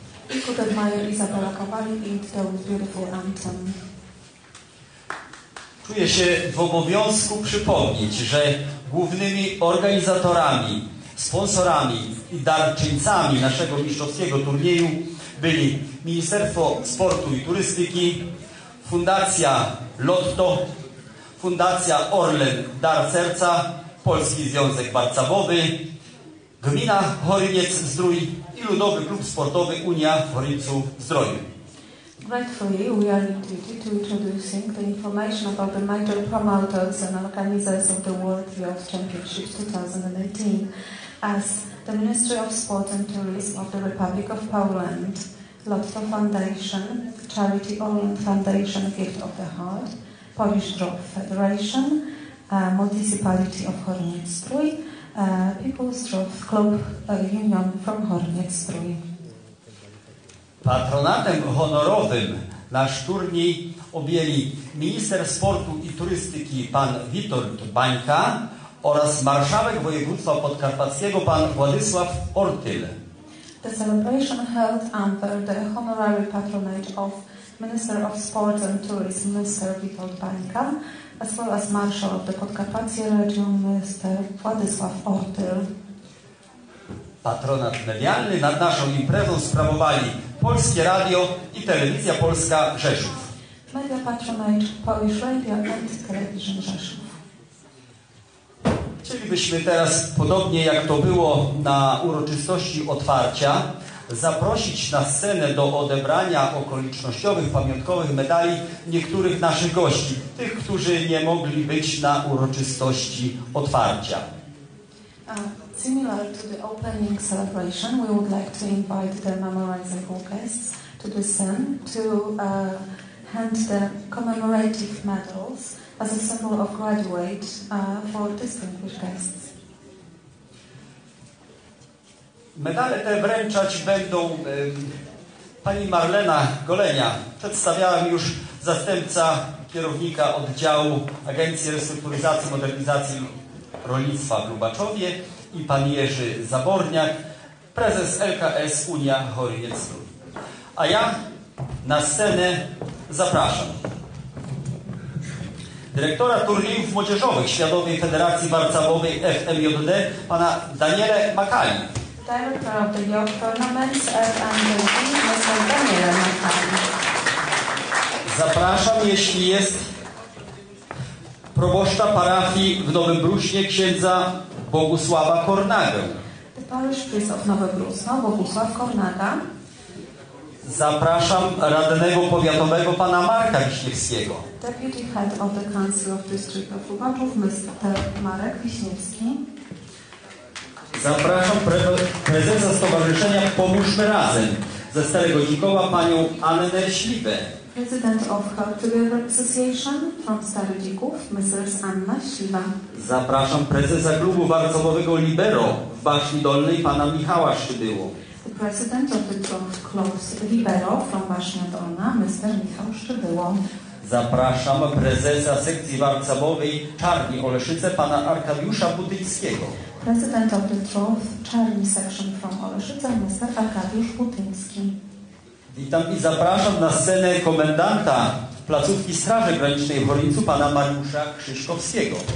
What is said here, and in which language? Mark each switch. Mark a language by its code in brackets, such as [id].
[en] I could admire Izabela Kowalik and those beautiful anthem. [pl] Czuję się w obowiązku przypomnieć, że głównymi organizatorami, sponsorami i darczyńcami naszego mistrzowskiego turnieju byli Ministerstwo Sportu i Turystyki, Fundacja Lotto, Fundacja Orlen Dar Serca, Polski Związek Warcabowy, Gmina Chorywiec Zdrój i Ludowy Klub Sportowy Unia w Chorywcu Zdroju. [en] Gratefully, we are in duty to introducing the information about the major promoters and organizers of the World Youth Championship 2018 as the Ministry of Sport and Tourism of the Republic of Poland, Lotto Foundation, Charity Orient Foundation Gift of the Heart, Polish Draw Federation, Municipality of Chorywiec-Zdrój, People's Draw Club Union from Chorywiec-Zdrój. [pl] Patronatem honorowym nasz turniej objęli minister sportu i turystyki pan Witold Bańka oraz marszałek województwa podkarpackiego pan Władysław Ortyl. [en] The celebration held under the honorary patronage of Minister of Sport and Tourism Mr. Witold Bańka as well as marszał of the Podkarpackie region Mr. Władysław Ortyl. [pl] Patronat medialny nad naszą imprezą sprawowali Polskie Radio i Telewizja Polska Rzeszów. [en] Media Patronage Polish Radio and Television Rzeszów. [pl] Chcielibyśmy teraz, podobnie jak to było na uroczystości otwarcia, zaprosić na scenę do odebrania okolicznościowych, pamiątkowych medali niektórych naszych gości, tych, którzy nie mogli być na uroczystości otwarcia. [en] Similar to the opening celebration, we would like to invite the memorizable guests to the scene to hand the commemorative medals as a symbol of graduate for distinguished guests. [pl] Medale te wręczać będą pani Marlena Golenia, przedstawiałem już zastępca kierownika oddziału Agencji Restrukturyzacji i Modernizacji Rolnictwa w Lubaczowie, i pan Jerzy Zaborniak, prezes LKS Unia Chorywiec-Zdrój. A ja na scenę zapraszam dyrektora turniejów młodzieżowych Światowej Federacji Warcabowej FMJD, pana Daniele Makali. [en] Dyrektor of the Youth Tournaments FMJD, Mr. Daniele Makali. [pl] Zapraszam, jeśli jest proboszcza parafii w Nowym Bruśnie, księdza Bogusława Kornagę. [en] The parish priest of Nowe Brusno, Bogusław Kornaga. [pl] Zapraszam radnego powiatowego pana Marka Wiśniewskiego. [en] Deputy head of the council of district of Lubaczów, Mr. Marek Wiśniewski. [pl] Zapraszam prezesa stowarzyszenia Pomóżmy Razem ze Starego Dzikowa, panią Annę Śliwę. [en] President of Heart Together Association from Stary Dzików, Mrs. Anna Śliwa. [pl] Zapraszam prezesa klubu warcabowego Libero w Baśni Dolnej, pana Michała Szczybyło. [en] The president of the club Libero from Baśni Dolna, Mr. Michał Szczybyło. [pl] Zapraszam prezesa sekcji warcabowej Czarni Oleszyce, pana Arkadiusza Butyńskiego. [en] President of the club Czarni Section from Oleszyce, Mr. Arkadiusz Butyński. [pl] Witam i zapraszam na scenę komendanta placówki Straży Granicznej w Chorywiecu, pana Mariusza Krzyszkowskiego.